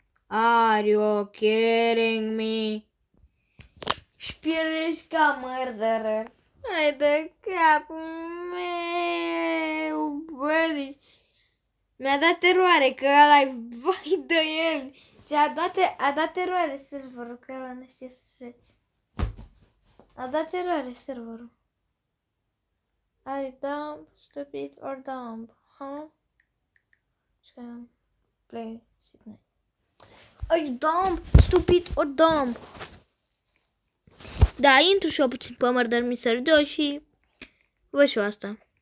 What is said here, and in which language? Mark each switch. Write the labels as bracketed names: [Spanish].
[English] Are you kidding me? Spirit ca murderer. [Romanian] Hai de capul meu. Bă, deci... Mi-a dat eroare că ăla-i vai de el. Și a dat eroare serverul că ăla nu știe să joace. A dat eroare serverul. [English] Are you dumb, stupid or dumb? Huh? Play Sydney. Are you dumb, stupid or dumb? [Romanian] Da, intru și eu puțin pe Murder Mystery 2 și văd și eu asta.